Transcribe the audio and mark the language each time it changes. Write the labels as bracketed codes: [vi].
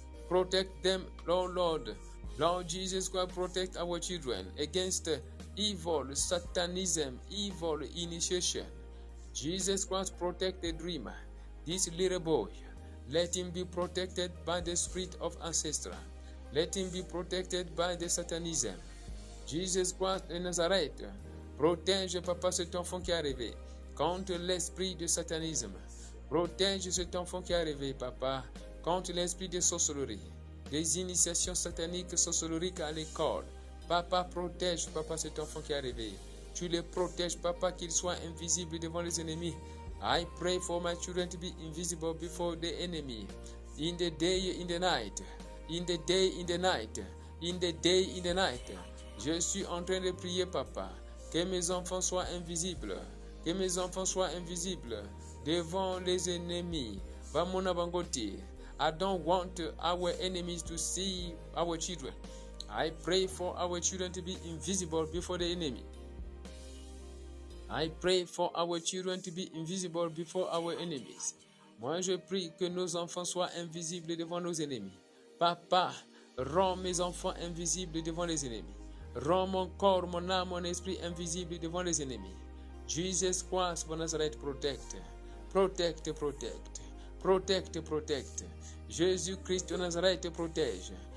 [en] Protect them, Lord, Lord. Lord Jesus Christ, protect our children against evil Satanism, evil initiation. Jesus Christ, protect the dreamer, this little boy. Let him be protected by the spirit of ancestor. Let him be protected by the Satanism. [fr] Jesus Christ de Nazareth, protège, Papa, cet enfant qui est arrivé contre l'esprit de satanisme. Protège cet enfant qui est arrivé, Papa, contre l'esprit de sorcellerie, des initiations sataniques sorcelleriques à l'école. Papa, protège, Papa, cet enfant qui est arrivé. Tu le protèges, Papa, qu'il soit invisible devant les ennemis. [en] I pray for my children to be invisible before the enemy. In the day, in the night. In the day, in the night. In the day, in the night. [fr] Je suis en train de prier, Papa, que mes enfants soient invisibles. Que mes enfants soient invisibles devant les ennemis. Vamona Bangoti. [en] I don't want our enemies to see our children. I pray for our children to be invisible before the enemy. I pray for our children to be invisible before our enemies. [fr] Moi, je prie que nos enfants soient invisibles devant nos ennemis. Papa, rends mes enfants invisibles devant les ennemis. Rends mon corps, mon âme, mon esprit invisibles devant les ennemis. [en] Jesus Christ, mon Nazareth, protect. Protect, protect. Protect, protect. [fr] Jésus-Christ de Nazareth, protège.